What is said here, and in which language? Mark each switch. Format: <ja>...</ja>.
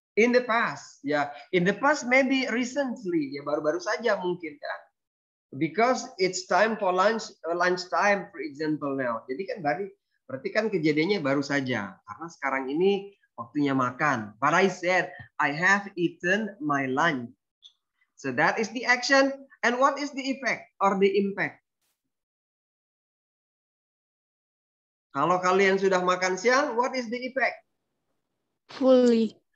<en>In the past, yeah. In the past, maybe recently,</en> <id>ya baru-baru saja mungkin ya.</id> <en>Because it's time for lunch time, for example now.</en> <id>Jadi kan berarti kan kejadiannya baru saja. Karena sekarang ini waktunya makan.</id> <en>But I said I have eaten my lunch. So that is the action. And what is the effect or the impact?</en> <id>Kalau kalian sudah makan siang,</id> <en>what is the effect? Fully.</en>